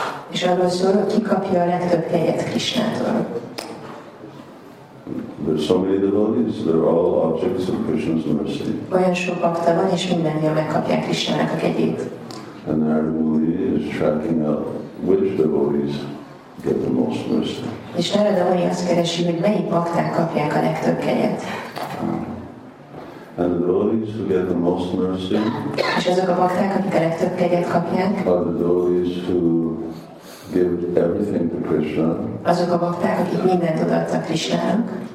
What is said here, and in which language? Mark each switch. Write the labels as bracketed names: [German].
[Hungarian] És arról szól, ki kapja a legtöbb kegyet Krishnától. [English] There's so many devotees, they're all objects of Krishna's mercy. [Hungarian] Olyan sok bakta van, és mindannyian megkapja Krishnának a kegyét. [English] And Narada is tracking up which devotees get the most mercy. [Hungarian] És Narada Muni azt keresi, hogy melyik bakták kapják a legtöbb kegyet. [English] And the devotees who get the most mercy are the devotees who give everything to Krishna. [Hungarian] Azok a bakták, akik mindent odaadtak Krishnának.